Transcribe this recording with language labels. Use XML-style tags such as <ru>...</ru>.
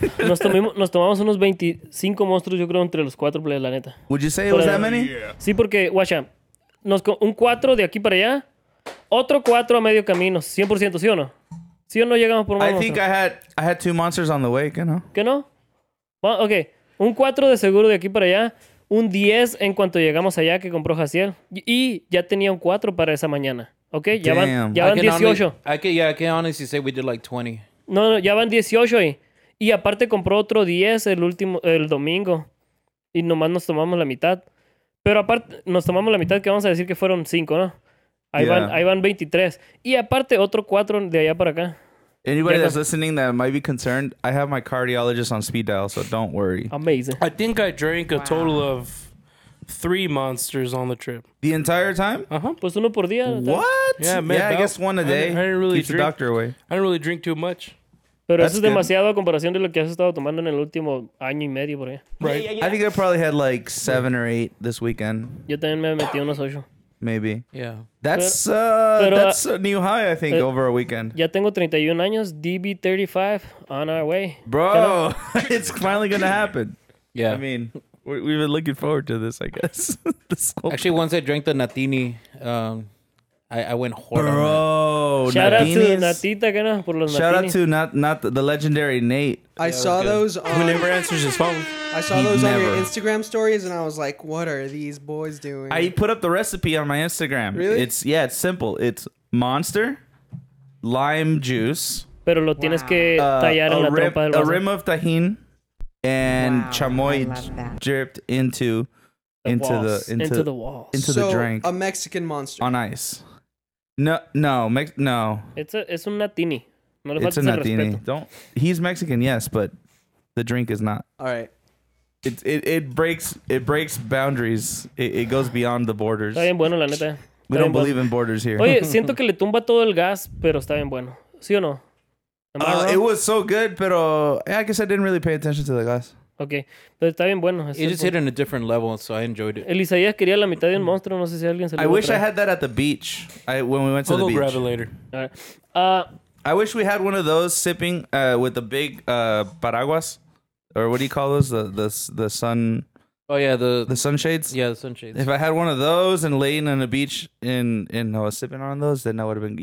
<es>Nos tomamos unos 25 monstruos, yo creo, entre los cuatro, la neta.</es> <en>Would you say it was that many? Yeah.</en> <es>Sí, porque, guacha, un cuatro de aquí para allá, otro cuatro a medio camino, 100%, ¿sí o no? Sí o no llegamos por un monstruo.</es> <en>I think I had two monsters on the way,</en> <es>¿qué no? ¿Qué no?</es> <en>Well, ok,</en> <es>un cuatro de seguro de aquí para allá, un 10 en cuanto llegamos allá que compró Jaciel, y ya tenía un cuatro para esa mañana, ¿ok? Ya van 18.</es> <en>I can honestly say we did like 20.</en> <es>No, ya van 18 ahí. Y aparte compró otro 10 el domingo. Y nomás nos tomamos la mitad. Pero aparte, nos tomamos la mitad, que vamos a decir que fueron 5, ¿no? Ahí van 23. Y aparte, otro 4 de allá para acá.</es> <en>Anybody that's listening that might be concerned, I have my cardiologist on speed dial, so don't worry. Amazing. I think I drank a total of 3 monsters on the trip. The entire time? Uh-huh.</en> <es>Pues uno por día.</es> <en>What? Yeah, I guess one a day. I didn't really drink. Keep the doctor away. I didn't really drink too much.</en> <es>Pero eso es demasiado a comparación de lo que has estado tomando en el último año y medio por ahí.</es> <en>Right. Yeah. I think I probably had like 7 or 8 this weekend.</en> <es>Yo también me metí unos 8.</es> <en>Maybe. Yeah. That's a new high, I think, over a weekend.</en> <es>Ya tengo 31 años.</es> <en>DB35 on our way. Bro, it's finally going to happen. Yeah. I mean... We've been looking forward to this, I guess. Actually, once I drank the Natini, I went hard. Bro, on Shout out to</en> <es>Natita, que no, por los</es> <en>shout Natini. Out to not the legendary Nate. I yeah, saw those. Who never answers his phone. I saw those never. On your Instagram stories, and I was like, "What are these boys doing?" I put up the recipe on my Instagram. Really? It's simple. It's monster lime juice.</en> <es>Pero lo tienes que tallar en la trompa del</es> <en>vaso. A rim of tajin. And wow, chamoy dripped into the drink. A Mexican monster on ice. No. It's a Natini. It's a Natini. He's Mexican, yes, but the drink is not. All right. It breaks boundaries. It goes beyond the borders.</en> <es>Está bien bueno, la neta.</es> <en>We don't believe in borders here.</en> <es>Oye, siento que le tumba todo el gas, pero está bien bueno. ¿Sí o no?</es> <en>It was so good, pero I guess I didn't really pay attention to the glass.</en> <es>Okay, pero está bien bueno.</es> <en>It just hit on a different level, so I enjoyed it.</en> <es>El Isaías quería la mitad de un monstruo, no sé si alguien se lo</es> <en>I wish I had that at the beach, when we went to we'll the beach. We'll grab it later. I wish we had one of those sipping with the big paraguas, or what do you call those? The sun... Oh, yeah, the sunshades? Yeah, the sunshades. If I had one of those and laying on the beach and I was sipping on those, then I would have been...</en>